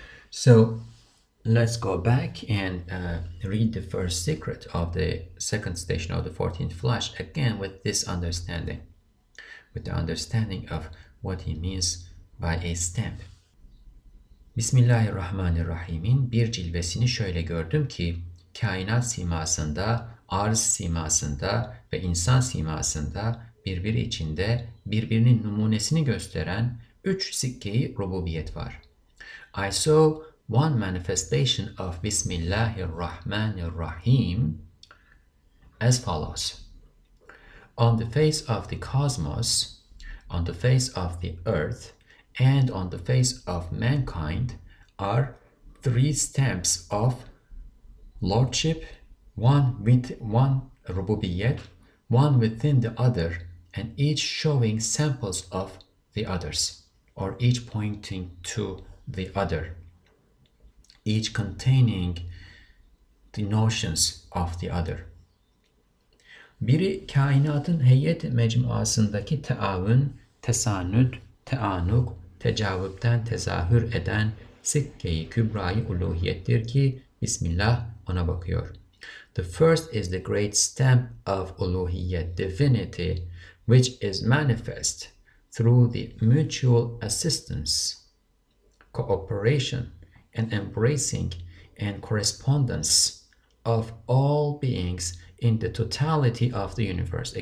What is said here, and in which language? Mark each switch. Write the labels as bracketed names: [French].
[English] So let's go back and read the first secret of the second station of the 14th flash again with this understanding, with the understanding of what he means by a stamp. [Turkish] Bismillahirrahmanirrahim'in bir cilvesini şöyle gördüm ki, kainat simasında, arz simasında ve insan simasında birbiri içinde birbirinin numunesini gösteren üç sikke-i rububiyet var. [English] I saw one manifestation of Bismillahirrahmanirrahim as follows. On the face of the cosmos, on the face of the earth, and on the face of mankind are three stamps of lordship, one with one rububiyet, one within the other, and each showing samples of the others, or each pointing to the other, each containing the notions of the other. [Turkish] Biri kainatın heyet mecmuasındaki teavün, tesanüd, teanuk, tecavüpten tezahür eden sikke-i kübra-i uluhiyettir ki Bismillah ona bakıyor. [English] The first is the great stamp of uluhiyet, divinity, which is manifest through the mutual assistance, cooperation, and embracing and correspondence of all beings in the totality of the universe.